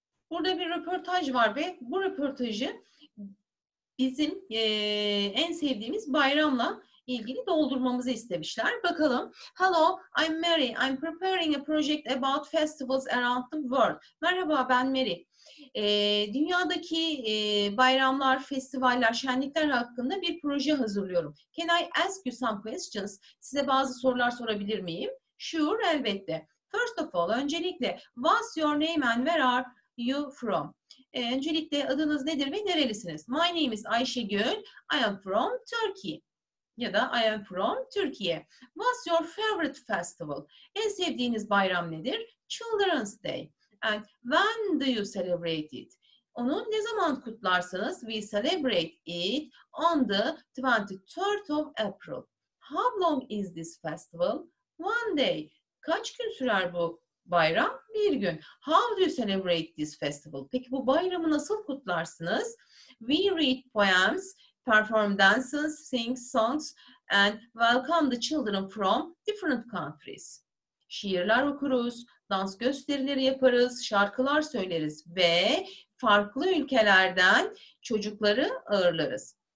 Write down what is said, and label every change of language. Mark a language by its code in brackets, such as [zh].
[tr] Burada bir röportaj var ve bu röportajı bizim en sevdiğimiz bayramla ilgili doldurmamızı istemişler. Bakalım. [en] Hello, I'm Mary. I'm preparing a project about festivals around the world. [tr] Merhaba, ben Mary. Dünyadaki bayramlar, festivaller, şenlikler hakkında bir proje hazırlıyorum. [en] Can I ask you some questions? [tr] Size bazı sorular sorabilir miyim? [en] Sure, [tr] elbette. [en] First of all, [tr] öncelikle, [en] what's your name and where are you from? [tr] Öncelikle adınız nedir ve nerelisiniz? [en] My name is Ayşegül. I am from Turkey. [tr] Ya da [en] I am from Türkiye. What's your favorite festival? [tr] En sevdiğiniz bayram nedir? [en] Children's Day. And when do you celebrate it? [tr] Onu ne zaman kutlarsınız? [en] We celebrate it on the 23rd of April. How long is this festival? One day. [tr] Kaç gün sürer bu bayram? Bir gün. [en] How do you celebrate this festival? [tr] Peki bu bayramı nasıl kutlarsınız? [en] We read poems, perform dances, sing songs and welcome the children from different countries. [tr] Şiirler okuruz, dans gösterileri yaparız, şarkılar söyleriz ve farklı ülkelerden çocukları ağırlarız.